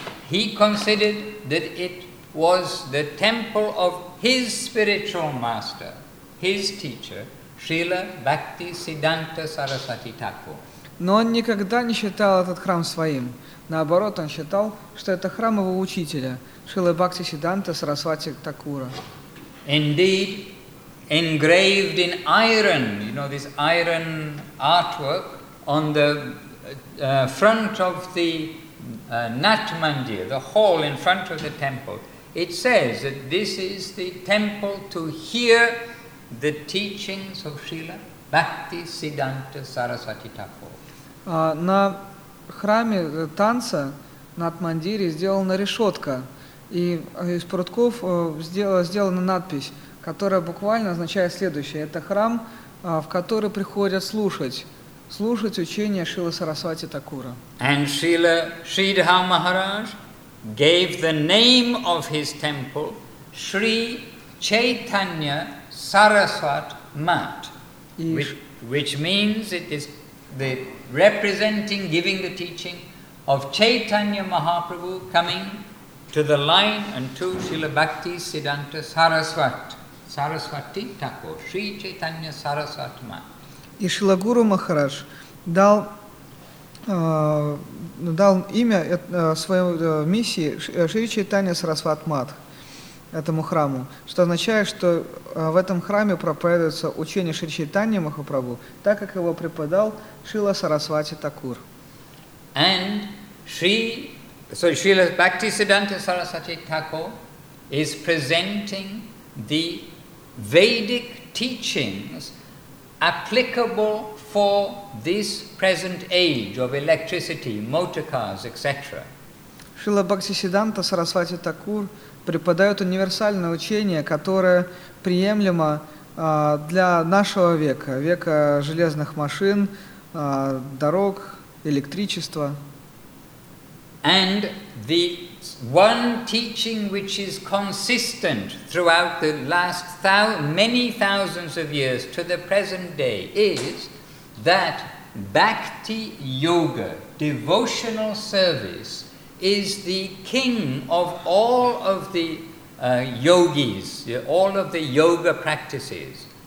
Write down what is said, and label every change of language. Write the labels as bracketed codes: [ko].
[en] He considered that it was the temple of his spiritual master, his teacher, Srila Bhakti Siddhanta Sarasati Thakur. [ru] Но он никогда не считал этот храм своим. Наоборот, он считал, что это храм его учителя, Шрилы Бхакти Сиддханта Сарасвати Такура. [en] Indeed, engraved in iron, you know, this iron artwork on the front of the Nat Mandir, the hall in front of the temple, it says that this is the temple to hear the teachings of Srila Bhakti Siddhanta Sarasvati Thakur. [ru] На храме танца Nat Mandir сделана решетка, и из прутков сделана надпись, которая буквально означает следующее. Это храм, в который приходят слушать учение Шрилы Сарасвати Такура. [en] And Srila Sridhar Maharaj gave the name of his temple Sri Chaitanya Sarasvat Math, which means it is the representing, giving the teaching of Chaitanya Mahaprabhu coming to the line and to Srila Bhakti Siddhanta Sarasvati Thakur, Sri Chaitanya Sarasvat Math. [ru] И Шрила Гуру Махарадж дал имя своей миссии Шри Чайтанья Сарасват Мат, этому храму, что означает, что в этом храме проповедуется учение Шри Чайтанья Махапрабху, так как его преподал Шрила Сарасвати Такур. [en] And Шрила Бхактисиддханта Сарасвати Такур is presenting the Vedic teachings applicable for this present age of electricity, motor cars, etc. [ru] Шрила Бхактисиддханта Сарасвати Такур преподает универсальное учение, которое приемлемо для нашего века, века железных машин, дорог, электричества. [en] And the one teaching which is consistent throughout the last many thousands of years to the present day is that bhakti yoga, devotional service, is the king of all of the yogis, all of the yoga practices.